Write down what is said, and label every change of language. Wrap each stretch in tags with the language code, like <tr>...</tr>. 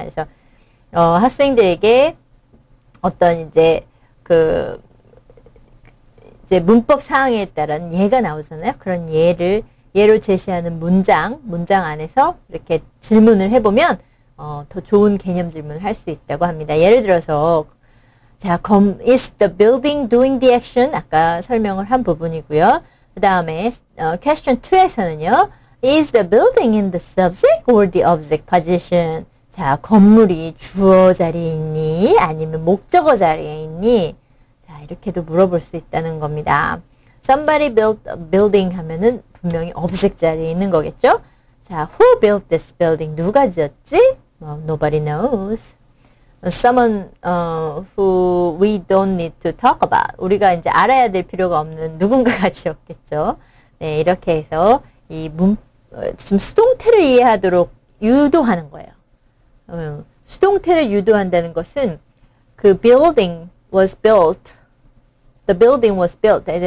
<ko>그래서, 학생들에게 어떤 이제 문법 사항에 따른 예가 나오잖아요. 그런 예로 제시하는 문장 안에서 이렇게 질문을 해보면, 더 좋은 개념 질문을 할 수 있다고 합니다. 예를 들어서,</ko> <en>자, is the building doing the action?</en> <ko>아까 설명을 한 부분이고요. 그 다음에 question 2에서는요.</ko> <en>Is the building in the subject or the object position?</en> <ko>자, 건물이 주어 자리에 있니? 아니면 목적어 자리에 있니? 자, 이렇게도 물어볼 수 있다는 겁니다.</ko> <en>Somebody built a building</en> <ko>하면은 분명히 object 자리에 있는 거겠죠?</ko> <en>자, who built this building?</en> <ko>누가 지었지?</ko> <en>Well, nobody knows. Someone who we don't need to talk about.</en> <ko>우리가 이제 알아야 될 필요가 없는 누군가가 지었겠죠. 네, 이렇게 해서 이 좀 수동태를 이해하도록 유도하는 거예요. 수동태를 유도한다는 것은 그</ko> <en>building was built. The building was built.</en>